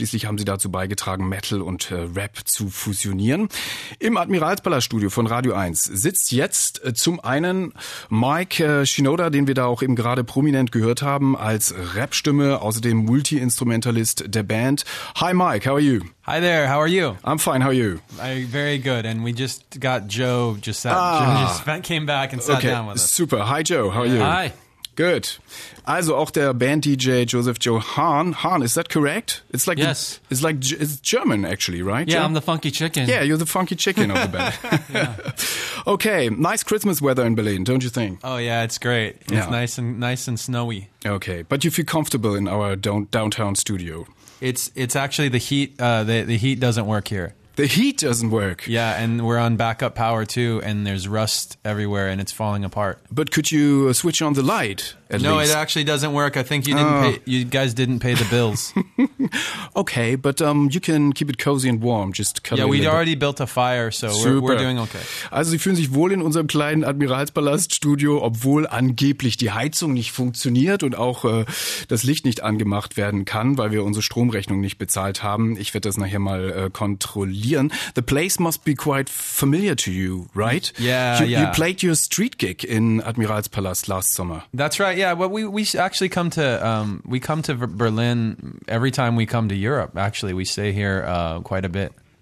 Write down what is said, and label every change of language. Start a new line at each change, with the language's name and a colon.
German: Schließlich haben sie dazu beigetragen, Metal und Rap zu fusionieren. Im Admiralspalaststudio von Radio 1 sitzt jetzt zum einen Mike Shinoda, den wir da auch eben gerade prominent gehört haben, als Rap-Stimme, außerdem Multi-Instrumentalist der Band.
English: Hi Mike, how are you? Hi there, how are you? I'm fine, how are you? Very good, and we just got Joe just came back and sat down with us. Super, hi Joe, how are you? Hi. Good.
German: Also auch der Band-DJ Joseph Joe Hahn.
English: Hahn, is that correct? It's like, yes. It's German actually, right? Yeah, Joe? I'm the funky chicken. Yeah, you're the funky chicken of the band. Okay, nice Christmas weather in Berlin, don't you think? Oh yeah, it's great. It's nice and snowy. Okay, but you feel comfortable in our downtown studio. It's actually the heat. The heat doesn't work here. The heat doesn't work. Yeah, and we're on backup power too, and there's rust everywhere, and it's falling apart. But could you switch on the light? No, it actually doesn't work. I think you guys didn't pay the bills. Okay, but you can keep it cozy and warm. Just cut yeah, we already built a fire, so we're doing okay.
German: Also Sie fühlen sich wohl in unserem kleinen Admiralspalaststudio, obwohl angeblich die Heizung nicht funktioniert und auch das Licht nicht angemacht werden kann, weil wir unsere Stromrechnung nicht bezahlt haben. Ich werde das nachher mal kontrollieren.
English: The place must be quite familiar to you, right? Yeah. You played your street gig in Admiralspalast last summer. That's right. Yeah, well, we actually come to Berlin every time we come to Europe. Actually, we stay here quite a bit.